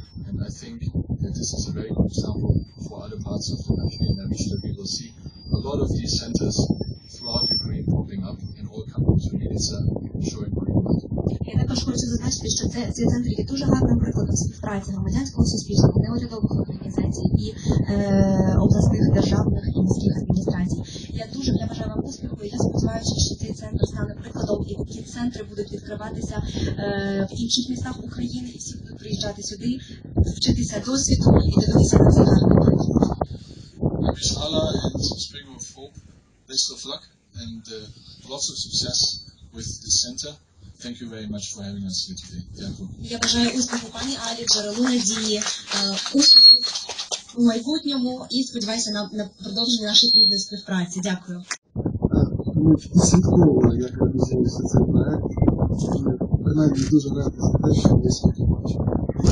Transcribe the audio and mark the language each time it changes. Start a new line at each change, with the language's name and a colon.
English: And I think that this is a very good example for other parts of the country, and I wish that we will see a lot of these centers about Ukraine popping up in all countries. So it's a showing point.
Ukrainian: Я також хочу зазначити, що цей центр є дуже гарним прикладом співпраці громадянського суспільства, неурядових організацій і обласних державних і міських адміністрацій. Я дуже бажаю вам успіху, і я сподіваюся, що цей центр стане прикладом, і ці центри будуть відкриватися в інших містах України, і всі будуть приїжджати сюди, вчитися досвіду і дивитися на цей гарний приклад.
English: Wish Allah and spring of hope, best of luck and lots of success with the center. Thank you very much for having us here today.
Ukrainian: Дякую. Я бажаю успіху пані Алі, джерело надії, успіху у майбутньому і сподіваюся на продовження нашої плідної співпраці. Дякую. Ми відслідково, як реалізується цей проект, і принаймні дуже раді за те, що ми сьогодні бачимо.